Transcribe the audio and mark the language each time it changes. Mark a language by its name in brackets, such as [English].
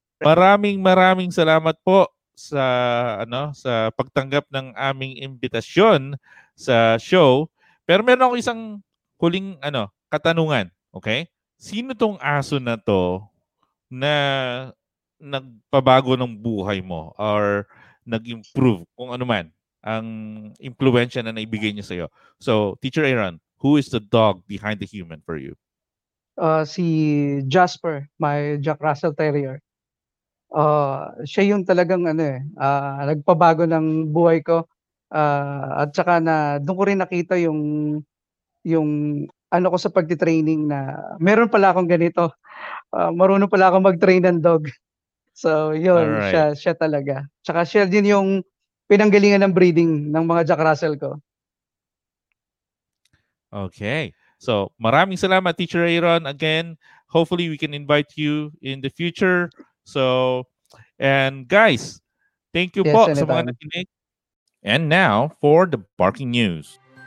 [Filipino] Maraming salamat po sa pagtanggap ng aming imbitasyon sa show. Pero meron ako isang huling katanungan, okay? Sino tong aso na to na nagpabago ng buhay mo or nag-improve kung ano man ang impluwensya na naibigay niya sa iyo? [English] So, Teacher Aeron, who is the dog behind the human for you? Si Jasper, my Jack Russell Terrier. [Filipino] Siya yung talagang nagpabago ng buhay ko. At saka na doon ko rin nakita yung ano ko sa pagti-training na meron pala akong ganito. Marunong pala akong mag-train ng dog. So, yun, right. siya talaga. Tsaka siya din yung pinanggalingan ng breeding ng mga Jack Russell ko. Okay. So, maraming salamat, Teacher Aeron. [English] Again, hopefully we can invite you in the future. So, and guys, thank you [Filipino] po sa mga nakinig. [English] And now for the barking news.